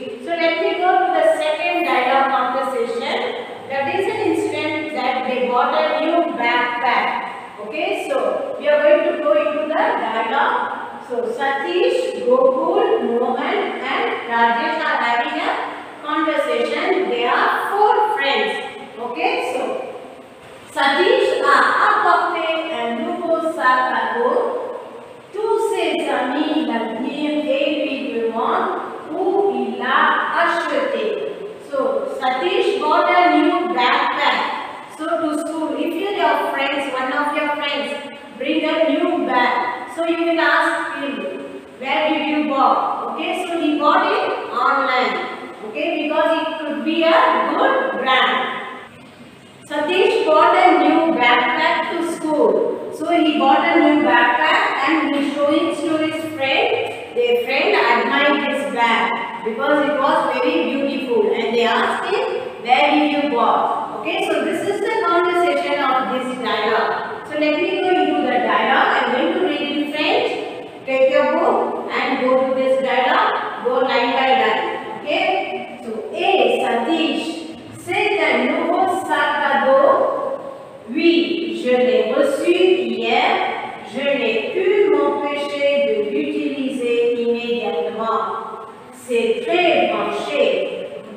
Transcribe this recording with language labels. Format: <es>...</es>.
<en>So let me go to the second dialogue conversation. That is an incident that they bought a new backpack. Okay, so we are going to go into the dialogue. So Satish, Gokul, Mohan and Rajesh are having a conversation. They are four friends. Okay, so</en> <fr>Satish a apporté un nouveau sac à dos. Tous ses amis l'admirent et lui demandent où il l'a acheté.</fr> <en>So Satish bought a new backpack. So to school, if you your friends, one of your friends bring a new bag, so you will ask him, where did you bought? Okay, so he bought it online. Okay, because it could be a good brand. Satish bought a new backpack to school. So he bought a new backpack and he showed it to his friend. Their friend admired his bag because it was very beautiful. And they asked him, where did you bought? Okay, so this is the conversation of this dialogue. So let me go into the dialogue. I'm going to read in French. Take your book and go to this dialogue. Go line by line. Okay, so A,</en> <fr>Satish, c'est un nouveau sac à dos. Oui, je l'ai reçu hier. Je n'ai pu m'empêcher de l'utiliser immédiatement. C'est très branché.</fr>